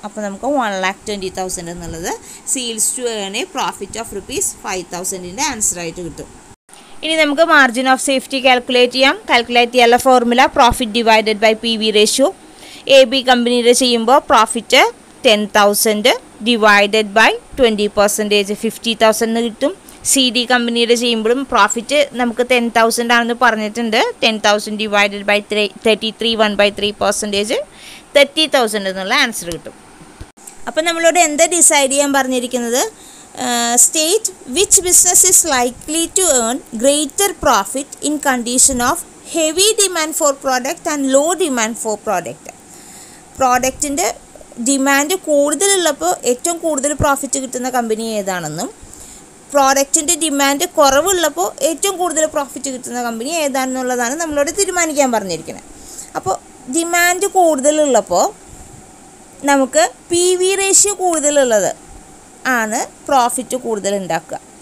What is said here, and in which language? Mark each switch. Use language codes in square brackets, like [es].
[ml] Appo namukku 1,20,000 ennallathu sales to earn a profit of rupees 5,000 inde answer aayittu kittum. ഇനി നമുക്ക് margin of safety calculate ചെയ്യാം. Calculate ചെയ്യാൻ formula profit divided by P V ratio. A B കമ്പനിയുടെ ചെയ്യുമ്പോൾ profit 10,000 divided by 20% 50,000 കിട്ടും. C D കമ്പനിയുടെ ചെയ്യുമ്പോഴും profit നമുക്ക് 10,000 ആണെന്ന് പറഞ്ഞിട്ടുണ്ട്. 10,000 ഡിവൈഡഡ് ബൈ 33.13% 30,000 എന്നുള്ള ആൻസർ കിട്ടും. അപ്പം നമ്മളോട് എന്ത് ഡിസൈഡ് ചെയ്യാൻ പറഞ്ഞിരിക്കുന്നത്? [en] State which business is likely to earn greater profit in condition of heavy demand for product and low demand for product. [ml] പ്രോഡക്റ്റിൻ്റെ ഡിമാൻഡ് കൂടുതലുള്ളപ്പോൾ ഏറ്റവും കൂടുതൽ പ്രോഫിറ്റ് കിട്ടുന്ന കമ്പനി ഏതാണെന്നും പ്രോഡക്റ്റിൻ്റെ ഡിമാൻഡ് കുറവുള്ളപ്പോൾ ഏറ്റവും കൂടുതൽ പ്രോഫിറ്റ് കിട്ടുന്ന കമ്പനി ഏതാണെന്നുള്ളതാണ് നമ്മളോട് തീരുമാനിക്കാൻ പറഞ്ഞിരിക്കുന്നത്. അപ്പോൾ ഡിമാൻഡ് കൂടുതലുള്ളപ്പോൾ നമുക്ക് പി വി റേഷ്യോ കൂടുതലുള്ളത് ആണ് പ്രോഫിറ്റ് കൂടുതലുണ്ടാക്കുക.